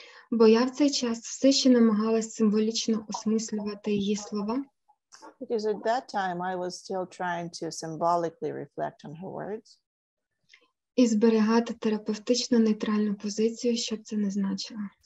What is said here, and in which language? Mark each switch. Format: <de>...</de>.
<uk>Бо я в цей час все ще намагалась символічно осмислювати її слова.</uk> <en>Because at that time I was still trying to symbolically reflect on her words.</en> <uk>І зберігати терапевтично нейтральну позицію, щоб це не значило.</uk>